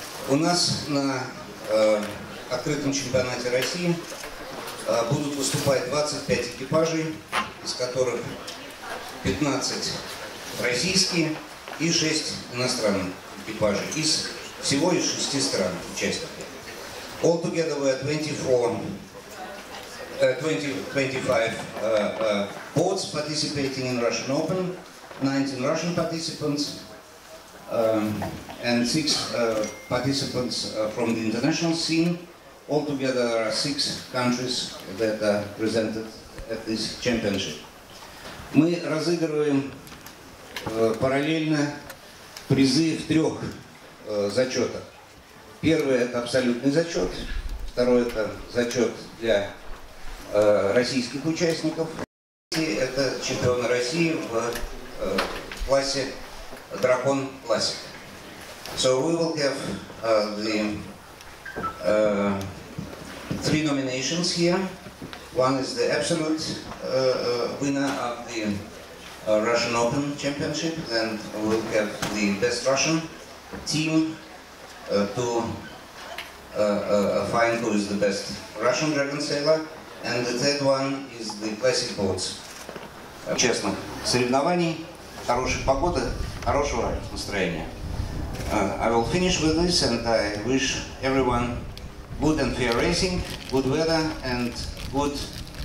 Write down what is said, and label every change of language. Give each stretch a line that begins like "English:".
Russian: У нас на открытом чемпионате России будут выступать 25 экипажей, из которых 15 российские и 6 иностранных экипажей из всего из 6 стран участников.
English: All together we are 25 boats participating in Russian Open, 19 Russian participants, and 6 participants from the international scene. Altogether there are 6 countries that are presented at this championship.
Russian: Мы разыгрываем параллельно призы в 3 зачетах. Первый — это абсолютный зачет, второй — это зачет для российских участников. Это чемпионы России в классе Дракон Классик.
English: So we will have three nominations here. One is the absolute winner of the Russian Open Championship, then we'll have the best Russian team to find who is the best Russian dragon sailor. And the third one is the classic boats.
Russian: Честно, соревнований, хорошей погоды, хорошего настроения.
English: I will finish with this, and I wish everyone good and fair racing, good weather, and good